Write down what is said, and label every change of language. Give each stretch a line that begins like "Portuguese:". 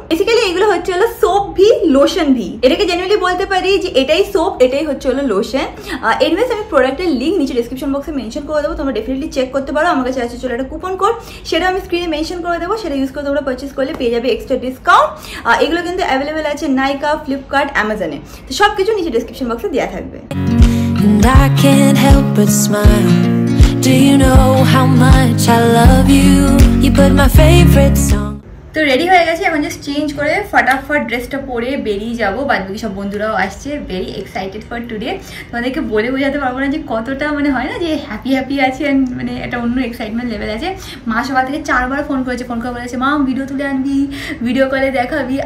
Bangla: Basically এগুলো হচ্ছে হলো সোপ ভি লোশন ভি, এটাকে জেনুইনলি বলতে পারি যে এটাই সোপ এটাই হচ্ছে হলো লোশন। এনিওয়েজ আমি প্রোডাক্টের লিংক নিচে ডিসক্রিপশন বক্সে মেনশন করে দেবো, তোমরা ডেফিনেটলি চেক করতে পারো। আমার কাছে আছে চলে একটা কুপন কোড, সেটা আমি স্ক্রিনে মেনশন করে দেবো, সেটা ইউজ করে তোমরা পারচেস করলে পেয়ে যাবে এক্সট্রা ডিসকাউন্ট। এগুলো কিন্তু অ্যাভেলেবেল আছে নাইকা, ফ্লিপকার্ট, অ্যামাজনে, তো সব কিছু নিচে ডিসক্রিপশন বক্সে দেওয়া থাকবে।
English: And I can't help but smile, do you know how much I love you, you put my favorite song.
Bangla: তো রেডি হয়ে গেছি, এখন জাস্ট চেঞ্জ করে ফটাফট ড্রেসটা পরে বেরিয়ে যাবো। বাদ বাকি সব বন্ধুরাও আসছে,
English: Very excited for today.
Bangla: তোমাদেরকে বলে বোঝাতে পারবো না যে কতটা মানে হয় না যে হ্যাপি হ্যাপি আছি, অ্যান্ড মানে একটা অন্য এক্সাইটমেন্ট লেভেল আছে। মা সবার থেকে চারবার ফোন করেছে, ফোন করে বলেছে মা ভিডিও তুলে আনবি, ভিডিও কলে দেখাবি।